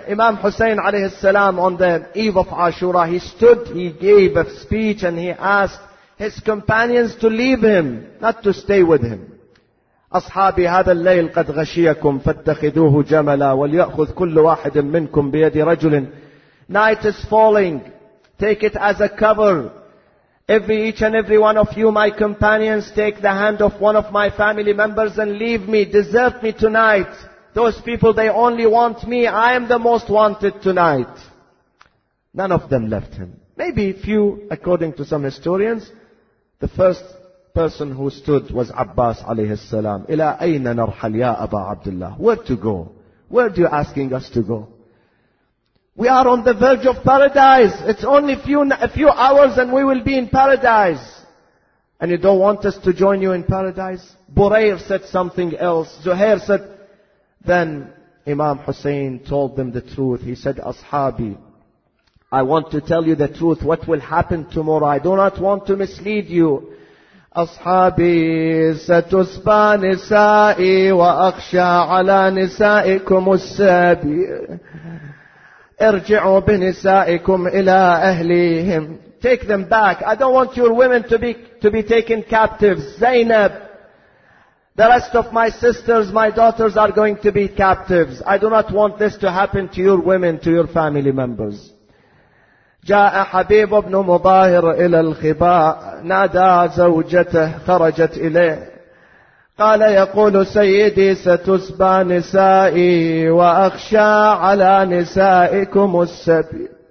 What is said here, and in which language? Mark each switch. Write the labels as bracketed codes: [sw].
[en] إمام حسين عليه السلام on the eve of Ashura, he stood, he gave a speech and he asked his companions to leave him, not to stay with him. [ar] أصحابي هذا الليل قد غشيكم فاتخذوه جملا وليأخذ كل واحد منكم بيد رجل. [en] Night is falling, take it as a cover. Every each and every one of you, my companions, take the hand of one of my family members and leave me, desert me tonight. Those people, they only want me. I am the most wanted tonight. None of them left him. Maybe few, according to some historians. The first person who stood was Abbas alayhi salam. [ar] إلى أين نرحل يا أبا عبد الله? [en] Where to go? Where are you asking us to go? We are on the verge of paradise. It's only a few hours and we will be in paradise. And you don't want us to join you in paradise? Burayr said something else. Zuhair said, then Imam Hussein told them the truth. He said, Ashabi, I want to tell you the truth. What will happen tomorrow? I do not want to mislead you. [ar] أصحابي ستسبى نسائي وأخشى على نسائكم السبي. ارجعوا بنسائكم إلى أهليهم. [en] Take them back. I don't want your women to be taken captives. Zainab, the rest of my sisters, my daughters are going to be captives. I do not want this to happen to your women, to your family members. [ar] جاء حبيب بن مباهر إلى الخباء، نادى زوجته خرجت إليه، قال يقول سيدي ستسبى نسائي وأخشى على نسائكم السبي.